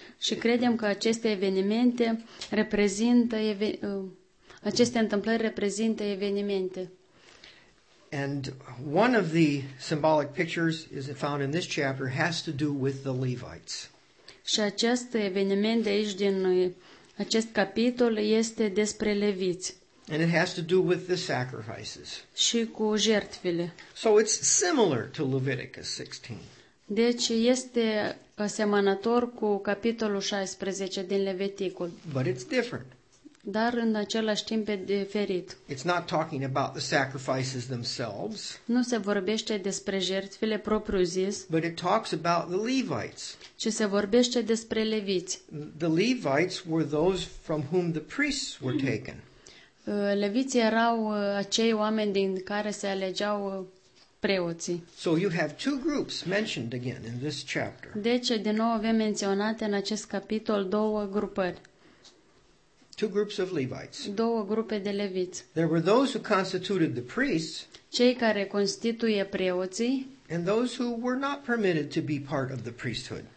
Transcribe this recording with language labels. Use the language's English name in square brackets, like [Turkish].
[Romanian] Și credem că aceste evenimente reprezintă aceste întâmplări reprezintă evenimente. [English] And one of the symbolic pictures is found in this chapter has to do with the Levites. [Romanian] Și acest eveniment de aici din acest capitol este despre leviți. [English] And it has to do with the sacrifices. [Romanian] Și cu jertfele. [English] So it's similar to Leviticus 16. [Romanian] Deci este asemănător cu capitolul 16 din Leviticul. [English] But it's different. [Romanian] Dar în același timp e diferit. [English] It's not talking about the sacrifices themselves. [Romanian] Nu se vorbește despre jertfile propriu-zis. [English] But it talks about the Levites. [Romanian] Ci se vorbește despre leviți. [English] The Levites were those from whom the priests were taken. [Romanian] Leviții erau acei oameni din care se alegeau preoții. [English] So you have two groups mentioned again in this chapter. [Romanian] Deci, din nou avem menționate în acest capitol două grupări. [English] Two groups of Levites. [Romanian] Două grupe de leviți. [English] There were those who constituted the priests. [Romanian] Cei care constituie preoții. [English] And those who were not permitted to be part of the priesthood.